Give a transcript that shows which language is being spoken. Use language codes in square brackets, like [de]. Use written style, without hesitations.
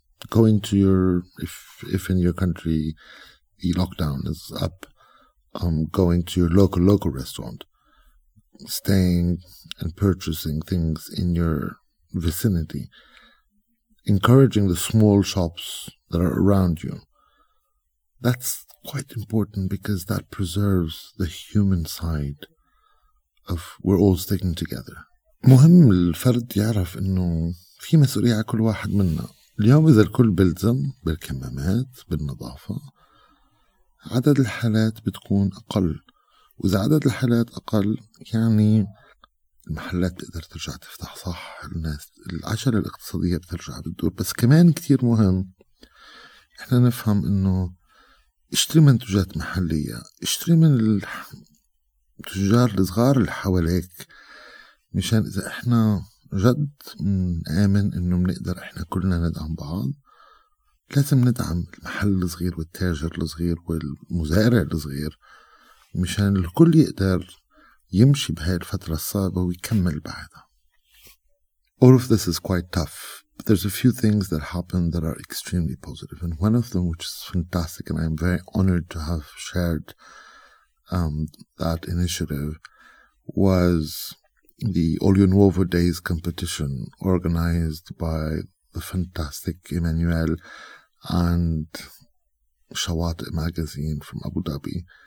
[en] Going to your, if in your country the lockdown is up, going to your local restaurant, staying and purchasing things in your vicinity, encouraging the small shops that are around you that's quite important because that preserves the human side of we're all sticking together. [ar] مهم الفرد يعرف إنه في مسؤولية على كل واحد منا. اليوم إذا الكل بلزم بالكمامات بالنظافة عدد الحالات بتكون أقل وإذا عدد الحالات أقل يعني المحلات تقدر ترجع تفتح صح الناس العجلة الاقتصادية بترجع بتدور بس كمان كتير مهم إحنا نفهم إنه اشتري منتجات محلية اشتري من التجار الصغار اللي حواليك مشان إذا إحنا جد نآمن إنه منقدر إحنا كلنا ندعم بعض لازم ندعم المحل الصغير والتاجر الصغير والمزارع الصغير مشان الكل يقدر يمشي بهاي الفترة الصعبة ويكمل بعدها. [en] All of this is quite tough. But there's a few things that happen that are extremely positive. And one of them, which is fantastic, and I'm very honored to have shared that initiative, was the Olio Nuovo Days competition organized by the fantastic Emmanuel and Shawat magazine from Abu Dhabi.